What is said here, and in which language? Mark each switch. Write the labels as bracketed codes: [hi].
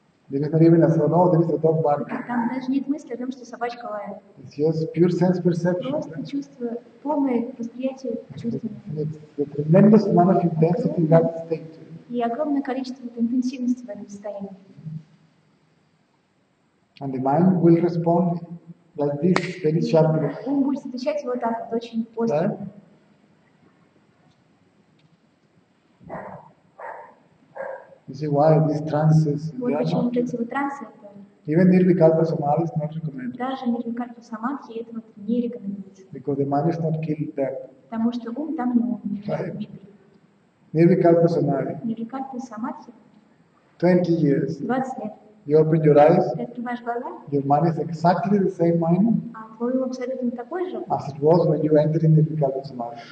[en] There is not even a thought, oh, there is a dog barking. [ru] Там даже нет мысли о том, что собачка лает. [en] It's just pure sense perception. [ru] Просто чувство, полное восприятие чувства. [en] It's the tremendous amount of intensity in that state. [ru] И огромное количество интенсивности в этом состоянии. [en] And the mind will respond like this, very sharply. [ru] Ум будет отвечать вот так, очень остро. [en] You see why these trances? Even nirvikalpa samadhi is not recommended. [ru] Даже нирвикалпа самадхи этого не рекомендуется. [en] Because the mind is not killed there. [ru] Потому что ум там не умер. Нирвикалпа самадхи. Нирвикалпа самадхи. [en] 20 years. [ru] 20 лет. [en] You open your eyes. [ru] Ты открываешь глаза. [en] Your mind is exactly the same mind. [ru] А твой ум абсолютно такой же. [en] As it was when you entered into the Vikalpa Samadhi.